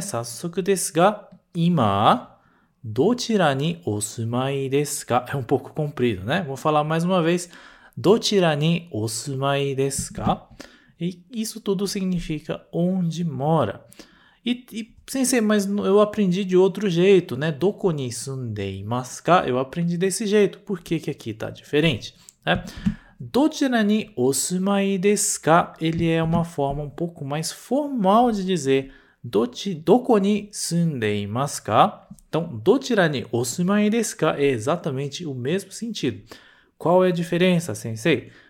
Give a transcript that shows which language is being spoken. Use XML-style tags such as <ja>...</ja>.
<ja>早速ですが、今、どちらにお住まいですか?</ja> <pt>É um pouco comprido, né? Vou falar mais uma vez.</pt> <ja>どちらにお住まいですか?</ja> <pt>E isso tudo significa onde mora. E sensei, mas eu aprendi de outro jeito, né?</pt> <ja>どこに住んでいますか?</ja> <pt>Eu aprendi desse jeito. Por que, que aqui está diferente, né?</pt> <ja>どちらにお住まいですか?</ja> <pt>Ele é uma forma um pouco mais formal de dizer</pt> <ja>どこに住んでいますか? Então, どちらにお住まいですか?</ja> <pt>É exatamente o mesmo sentido. Qual é a diferença, sensei?</pt>